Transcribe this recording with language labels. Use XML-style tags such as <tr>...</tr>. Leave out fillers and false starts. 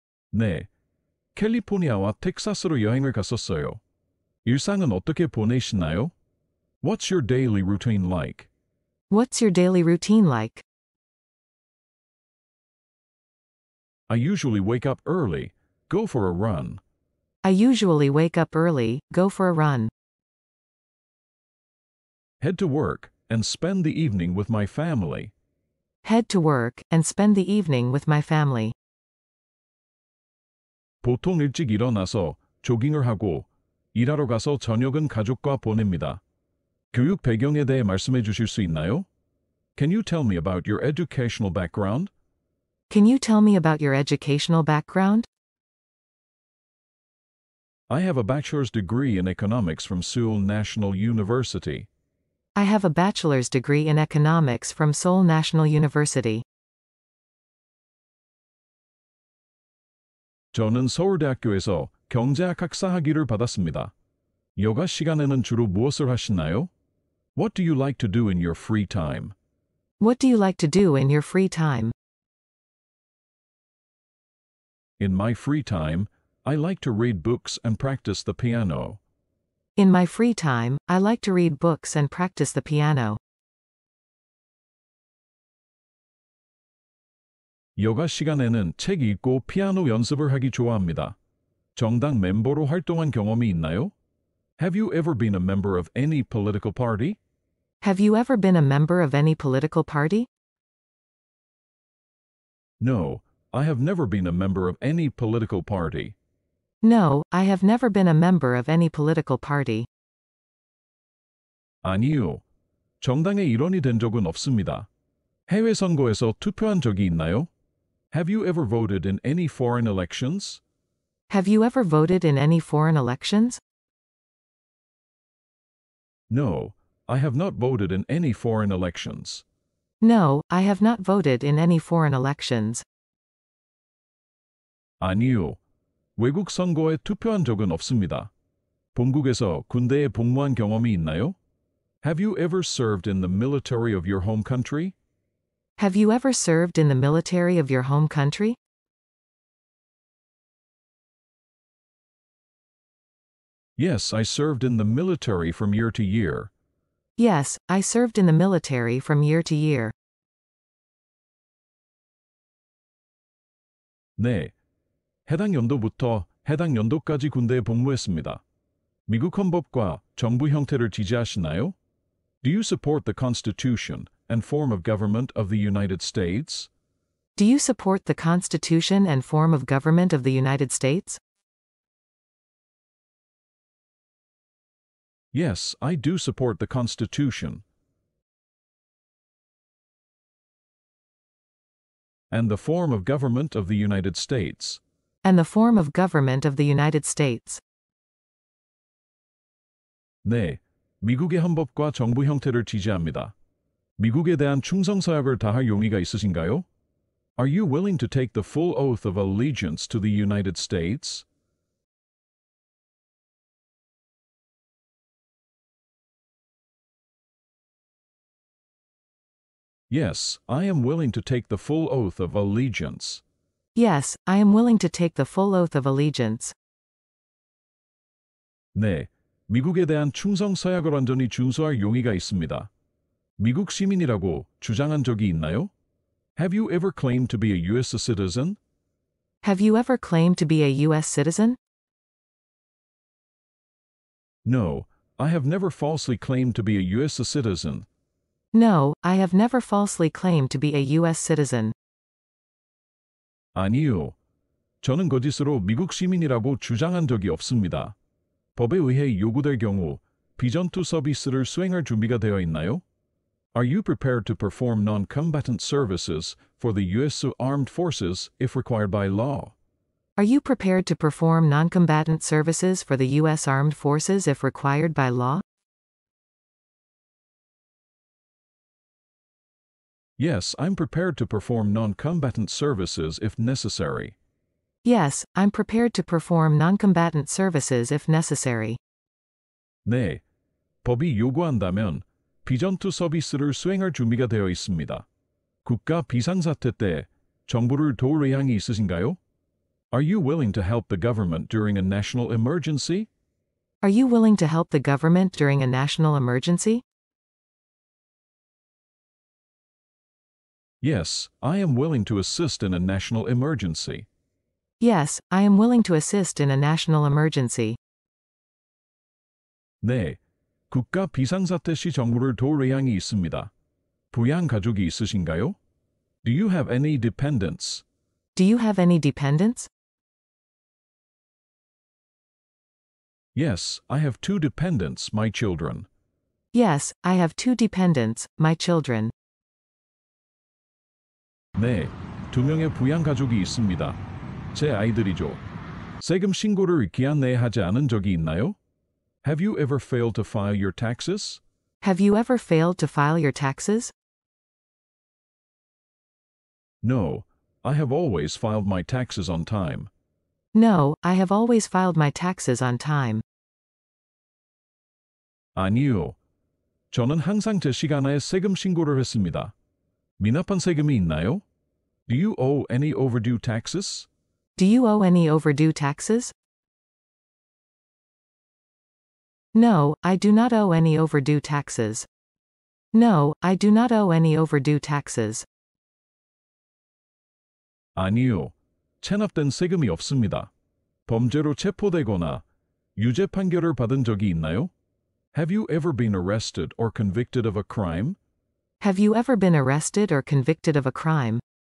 <ko>네, 캘리포니아와 텍사스로 여행을 갔었어요. 일상은 어떻게 보내시나요?</ko> <en>What's your daily routine like? What's your daily routine like? I usually wake up early, go for a run. I usually wake up early, go for a run. Head to work and spend the evening with my family. Head to work and spend the evening with my family.</en> <ko>보통 일찍 일어나서 조깅을 하고 일하러 가서 저녁은 가족과 보냅니다. 교육 배경에 대해 말씀해 주실 수 있나요?</ko> <en>Can you tell me about your educational background? Can you tell me about your educational background? I have a bachelor's degree in economics from Seoul National University. I have a bachelor's degree in economics from Seoul National University.</en> <ko>저는 서울대학교에서 경제학 학사학위를 받았습니다. 여가 시간에는 주로 무엇을 하시나요?</ko> <en>What do you like to do in your free time? What do you like to do in your free time? In my free time, I like to read books and practice the piano. In my free time, I like to read books and practice the piano.</en> <ko>여가 시간에는 책 읽고 피아노 연습을 하기 좋아합니다. 정당 멤버로 활동한 경험이 있나요?</ko> <en>Have you ever been a member of any political party? Have you ever been a member of any political party? No, I have never been a member of any political party. No, I have never been a member of any political party.</en> <ko>아니요, 정당의 일원이 된 적은 없습니다. 해외 선거에서 투표한 적이 있나요?</ko> <en>Have you ever voted in any foreign elections? Have you ever voted in any foreign elections? No, I have not voted in any foreign elections. No, I have not voted in any foreign elections.</en> <ko>아니요, 외국 선거에 투표한 적은 없습니다. 본국에서 군대에 복무한 경험이 있나요?</ko> <en>Have you ever served in the military of your home country? Have you ever served in the military of your home country?</en> <ko>네, 해당 연도부터 해당 연도까지 군대에 복무했습니다. 미국 헌법과 정부 형태를 지지하시나요?</ko> <en>Do you support the Constitution and form of government of the United States? Do you support the Constitution and form of government of the United States? Yes, I do support the Constitution and the form of government of the United States. And the form of government of the United States.</en> <ko>네, 미국의 헌법과 정부 형태를 지지합니다. 미국에 대한 충성서약을 다할 용의가 있으신가요?</ko> <en>Are you willing to take the full oath of allegiance to the United States? Yes, I am willing to take the full oath of allegiance. Yes, I am willing to take the full oath of allegiance.</en> <ko>네, 미국에 대한 충성서약을 완전히 준수할 용의가 있습니다. 미국 시민이라고 주장한 적이 있나요?</ko> <en>Have you ever claimed to be a U.S. citizen? Have you ever claimed to be a U.S. citizen? No, I have never falsely claimed to be a U.S. citizen. No, I have never falsely claimed to be a U.S. citizen.</en> <ko>아니요. 저는 거짓으로 미국 시민이라고 주장한 적이 없습니다. 법에 의해 요구될 경우 비전투 서비스를 수행할 준비가 되어 있나요?</ko> <en>Are you prepared to perform non-combatant services for the U.S. Armed Forces if required by law? Are you prepared to perform non-combatant services for the U.S. Armed Forces if required by law? Yes, I'm prepared to perform non-combatant services if necessary. Yes, I'm prepared to perform non-combatant services if necessary.</en> <ko>네, 법이 요구한다면 비전투 서비스를 수행할 준비가 되어 있습니다. 국가 비상사태 때 정부를 도울 의향이 있으신가요?</ko> <en>Are you willing to help the government during a national emergency? Are you willing to help the government during a national emergency? Yes, I am willing to assist in a national emergency. Yes, I am willing to assist in a national emergency.</en> <ko>네, 국가 비상사태 시 정부를 도울 의향이 있습니다. 부양 가족이 있으신가요?</ko> <en>Do you have any dependents? Do you have any dependents? Yes, I have two dependents, my children. Yes, I have two dependents, my children.</en> <ko>네, 두 명의 부양 가족이 있습니다. 제 아이들이죠. 세금 신고를 기한 내에 하지 않은 적이 있나요?</ko> <en>Have you ever failed to file your taxes? Have you ever failed to file your taxes? No, I have always filed my taxes on time. No, I have always filed my taxes on time.</en> <ko>아니요. 저는 항상 제 시간에 세금 신고를 했습니다. 미납한 세금이 있나요?</ko> <en>Do you owe any overdue taxes? Do you owe any overdue taxes? No, I do not owe any overdue taxes. No, I do not owe any overdue taxes.</en> <ko>아니요. 체납된 세금이 없습니다. 범죄로 체포되거나 유죄 판결을 받은 적이 있나요?</ko> <en>Have you ever been arrested or convicted of a crime? Have you ever been arrested or convicted of a crime?</en>